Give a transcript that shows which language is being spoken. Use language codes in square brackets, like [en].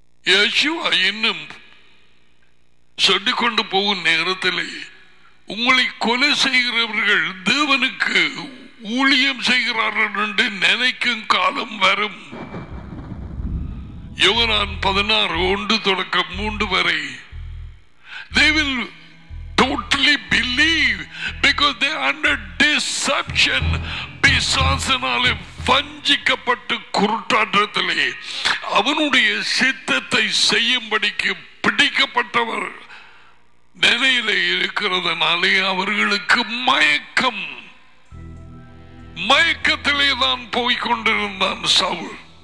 [ta] யேசுவா இன்னும் சொல்லிக்கொண்டு போகும் நேரத்திலே, உங்களை கொலை செய்கிறவர்கள் தேவனுக்கு ஊழியம் செய்கிறார்கள் என்று நினைக்கும் காலம் வரும். [en] யோவான் 16:1-3 They will totally believe because they are under deception. [ta] பிசாசினாலே வஞ்சிக்கப்பட்டு குருட்டாற்றத்திலே அவனுடைய சித்தத்தை செய்யும்படிக்கு பிடிக்கப்பட்டவர் நிலையில இருக்கிறதுனாலே அவர்களுக்கு மயக்கம், மயக்கத்திலே தான் போய்கொண்டிருந்தான் சவுல்.